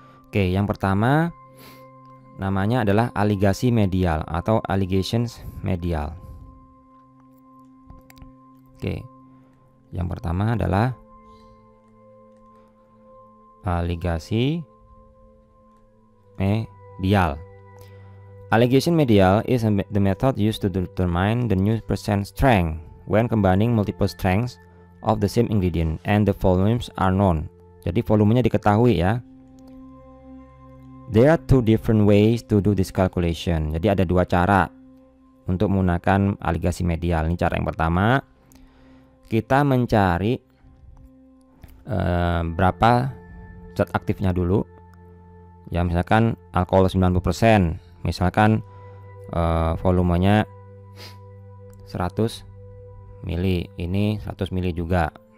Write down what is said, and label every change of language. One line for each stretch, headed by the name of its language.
Indonesian: Oke, yang pertama namanya adalah allegasi medial atau allegations medial. Oke, yang pertama adalah allegasi medial.
English: Allegation medial is the method used to determine the new percent strength when combining multiple strengths of the same ingredient and the volumes are known.
Indonesian: Jadi volumenya diketahui ya.
English: There are two different ways to do this calculation.
Indonesian: Jadi ada dua cara untuk menggunakan allegasi medial. Ini cara yang pertama, kita mencari berapa zat aktifnya dulu. Ya, misalkan alkohol 90%, misalkan volumenya 100 mili, ini 100 mili juga.